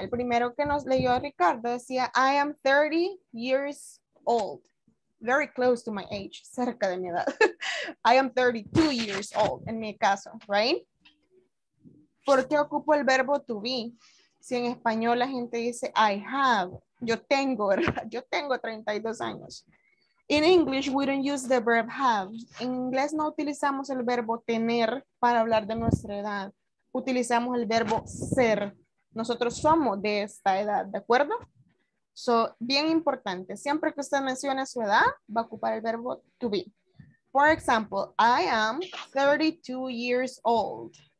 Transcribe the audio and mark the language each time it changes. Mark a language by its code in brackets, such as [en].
[es] El primero que nos leyó Ricardo decía, [en] I am 30 years old. Very close to my age, [es] cerca de mi edad. [en] I am 32 years old, [es] en mi caso, [en] right? [es] ¿Por qué ocupo el verbo to be? Si en español la gente dice, I have, yo tengo, ¿verdad? Yo tengo 32 años. [en] In English, we don't use the verb have. [es] En inglés no utilizamos el verbo tener para hablar de nuestra edad. Utilizamos el verbo ser. Nosotros somos de esta edad, ¿de acuerdo? So, bien importante, siempre que usted mencione su edad, va a ocupar el verbo to be. [en] For example, I am 32 years old.